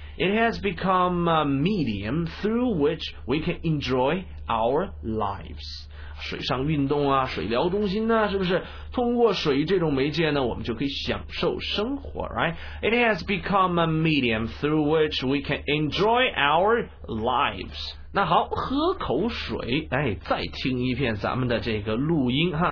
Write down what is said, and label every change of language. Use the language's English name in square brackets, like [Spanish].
[English] It has become a medium through which we can enjoy our lives. [Chinese] 水上运动啊，水疗中心啊，是不是？通过水这种媒介呢，我们就可以享受生活 ， [English] right? It has become a medium through which we can enjoy our lives. [Chinese] 那好，喝口水，哎，再听一遍咱们的这个录音哈。